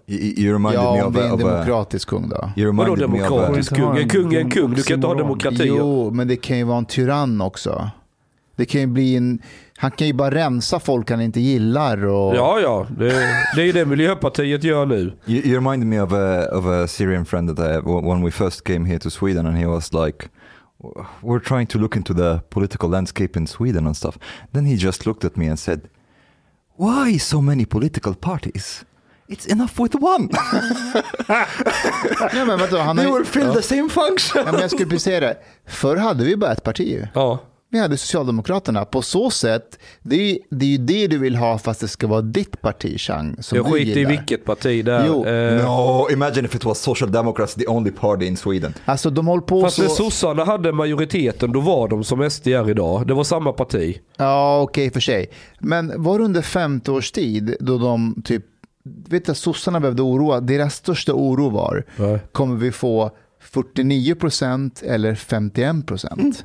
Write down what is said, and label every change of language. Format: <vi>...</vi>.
<sv>Ja, om det är en demokratisk kung då. Vadå demokratisk kung? En kung är en kung, du kan inte ha demokrati. Jo, men det kan ju vara en tyrann också. Det kan ju bli en... Han kan ju bara rensa folk han inte gillar. Och... Ja, det är ju det Miljöpartiet gör nu.</sv> <en>You remind me of a Syrian friend that I have when we first came here to Sweden, and he was like, we're trying to look into the political landscape in Sweden and stuff. Then he just looked at me and said, why so many political parties? It's enough with one.</en> <sv>Nej, men vänta,</sv> <en>they will fill the same function.</en> <sv>Ja, men jag skulle precis säga det. Förr hade vi bara ett parti. Ja. ni hade Socialdemokraterna. På så sätt, det är ju det du vill ha, fast det ska vara ditt parti, Chang. Som jag skiter i vilket parti där. Jo.</sv> <en>No, imagine if it was Social Democrats, the only party in Sweden.</en> <sv>Alltså, de håller på, fast när sossarna hade majoriteten, då var de som SD är idag. Det var samma parti. Ja, okej, för sig. Men var under 50 års tid då de typ, vet du, sossarna behövde oroa, deras största oro var, kommer vi få 49% eller 51%?</sv>